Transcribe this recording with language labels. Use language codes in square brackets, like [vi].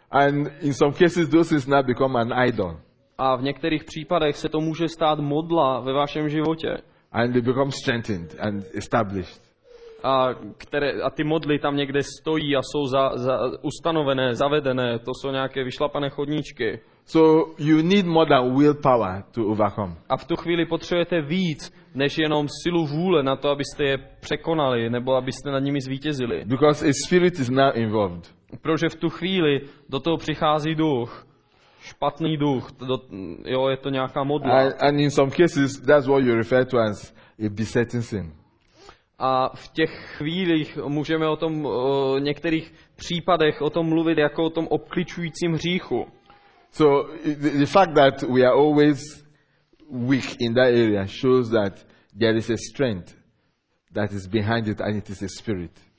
[en] And in some cases those things now become an idol. [cs] A v některých případech se to může stát modla ve vašem životě. [en] And they become strengthened and established. [cs] A ty modly tam někde stojí a jsou ustanovené, zavedené, to jsou nějaké vyšlapané chodníčky. [en] So you need more than willpower to overcome. [cs] A v tu chvíli potřebujete víc než jenom silu vůle na to, abyste je překonali nebo abyste nad nimi zvítězili. [en] Because a spirit is now involved. [cs] Protože v tu chvíli do toho přichází duch. Špatný duch, jo, je to nějaká modla. [en] And in some cases, that's what you refer to as a besetting sin. [cs] A v těch chvílích můžeme o tom, některých případech o tom mluvit jako o tom obkličujícím hříchu. [en] So the fact that we are always weak in that area shows that there is a strength that is behind it and it is a spirit.